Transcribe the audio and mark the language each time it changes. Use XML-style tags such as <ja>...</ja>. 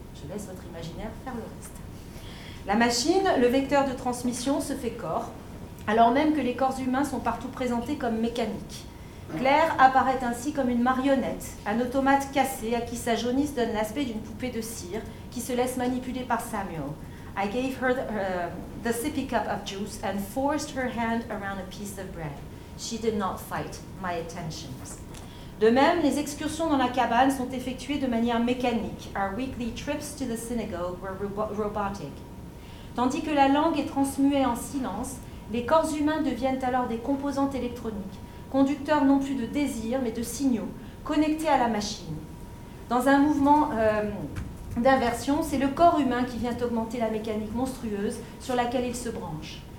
<fr>Je laisse votre imaginaire faire le reste. La machine, le vecteur de transmission, se fait corps, alors même que les corps humains sont partout présentés comme mécaniques. Claire apparaît ainsi comme une marionnette, un automate cassé à qui sa jaunisse donne l'aspect d'une poupée de cire qui se laisse manipuler par Samuel.</fr> <en>I gave her the sippy cup of juice and forced her hand around a piece of bread. She did not fight my attentions.</en> <fr>De même, les excursions dans la cabane sont effectuées de manière mécanique.</fr> <en>Our weekly trips to the synagogue were robotic.</en> <fr>Tandis que la langue est transmuée en silence, les corps humains deviennent alors des composantes électroniques, conducteur non plus de désirs, mais de signaux, connectés à la machine. Dans un mouvement d'inversion, c'est le corps humain qui vient augmenter la mécanique monstrueuse sur laquelle il se branche.</fr>